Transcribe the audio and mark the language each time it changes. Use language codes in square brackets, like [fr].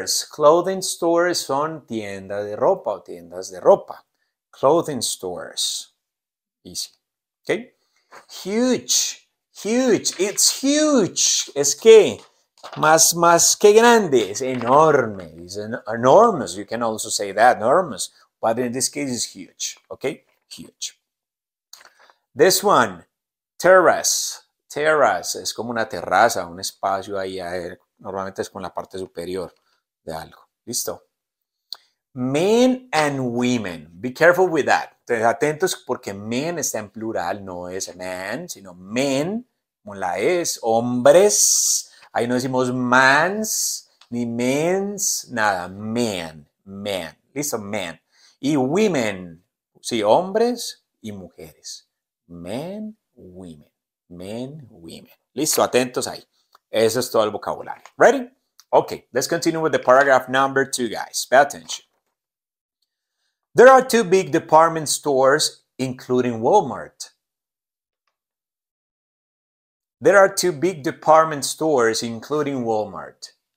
[en] Clothing stores [es] son tiendas de ropa o tiendas de ropa. [en] Clothing stores, easy, ¿ok? Huge. Huge, it's huge. [es] Es que más que grande, es enorme. [en] It's enormous. You can also say that, enormous. But in this case, it's huge. Okay, huge. This one, terrace. [es] Terrace es como una terraza, un espacio ahí. Normalmente es con la parte superior de algo. Listo. [en] Men and women. Be careful with that. [es] Entonces, atentos porque men está en plural, no es man, sino men. Como la es, hombres, ahí no decimos mans, ni mens, nada, men, men, listo, men. Y women, sí, hombres y mujeres, [en] Men, women. Men, women. [es] Listo, atentos ahí. Eso es todo el vocabulario. [en] Ready? Okay, let's continue with the paragraph number two, guys. Pay attention. There are two big department stores, including Walmart. There are two big department stores, including Walmart.